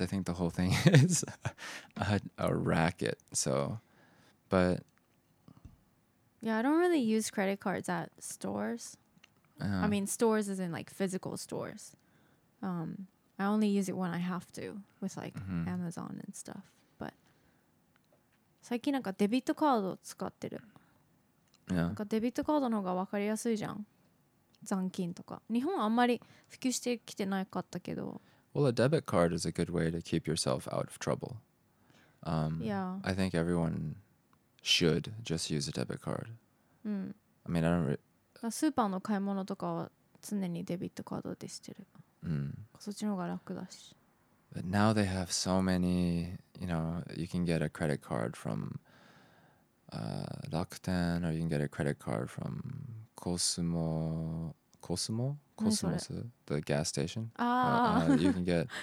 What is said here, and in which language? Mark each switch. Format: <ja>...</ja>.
<en>I think the whole thing is a racket. I don't really use credit cards at stores. I mean, stores as in like physical stores. I only use it when I have to with like Amazon and stuff.</en> <ja>But 最近なんかデビットカードを使ってる。なんかデビットカードの方が分かりやすいじゃん。残金とか。日本はあんまり普及してきてなかったけど。</ja> <en>Well, a debit card is a good way to keep yourself out of trouble. I think everyone should just use a debit card. I mean, I don't really...</en> <ja>スーパーの買い物とかは常にデビットカードでしてる。そっちの方が楽だし。</ja> <en>But now they have so many, you know, you can get a credit card from Rakuten or you can get a credit card from Cosmo? Cosmos, the gas station. You can get</en>